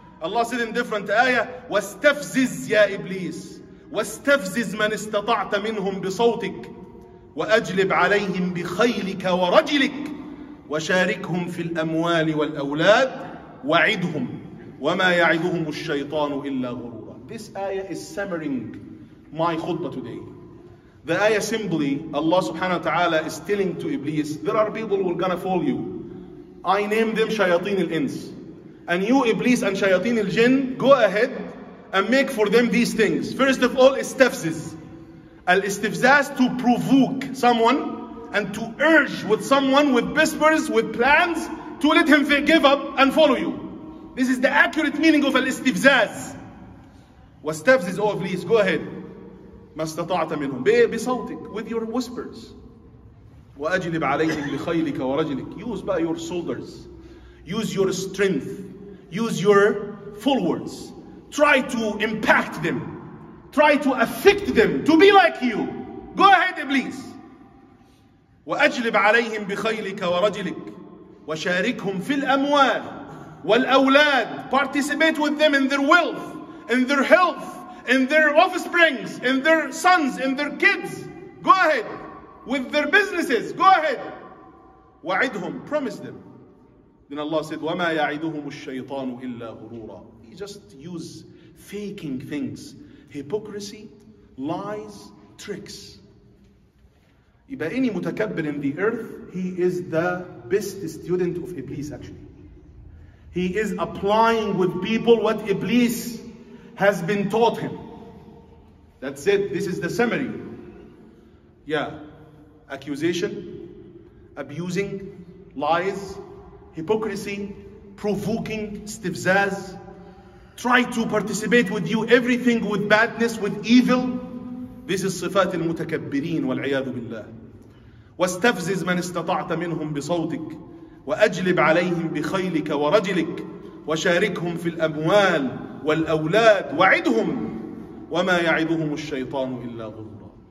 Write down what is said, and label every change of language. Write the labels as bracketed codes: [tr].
[en] Allah said in different ayah, [ar] واستفزز يا إبليس واستفزز من استطعت منهم بصوتك وأجلب عليهم بخيلك ورجلك وشاركهم في الأموال والأولاد وعدهم وما يعدهم الشيطان إلا غرورا. [en] This ayah is summarizing my khutbah today. The ayah simply, Allah subhanahu wa ta'ala is telling to Iblis, there are people who are gonna follow you. I name them shayateen al-ins. And you, Iblis, and shayateen al-jinn, go ahead and make for them these things. First of all, istafziz. Al-istifzaz, to provoke someone and to urge with someone with whispers, with plans, to let him give up and follow you. This is the accurate meaning of al-istifzaz. Wastafziz, oh Iblis, go ahead. [ar] ما استطعت منهم بصوتك, [en] with your whispers. [ar] وأجلب عليهم بخيلك ورجلك. [en] Use by your shoulders. Use your strength. Use your full words. Try to impact them. Try to affect them to be like you. Go ahead, Iblis. [ar] وأجلب عليهم بخيلك ورجلك. وشاركهم في الأموال والأولاد. [en] Participate with them in their wealth, in their health, in their offsprings, in their sons, in their kids. Go ahead. With their businesses, go ahead. وعدهم, promise them. Then Allah said, [ar] وَمَا يَعِدُهُمُ الشَّيْطَانُ إِلَّا غُرُورًا. [en] He just use faking things. Hypocrisy, lies, tricks. If any متكبر in the earth, he is the best student of Iblis actually. He is applying with people what Iblis has been taught him. That's it. This is the summary. Yeah. Accusation, abusing, lies, hypocrisy, provoking, stifzaz, try to participate with you everything with badness, with evil. This is [ar] صفات المتكبرين والعياذ بالله. واستفزز من استطعت منهم بصوتك وأجلب عليهم بخيلك ورجلك وشاركهم في الأموال والأولاد وعدهم وما يعدهم الشيطان إلا غرورا.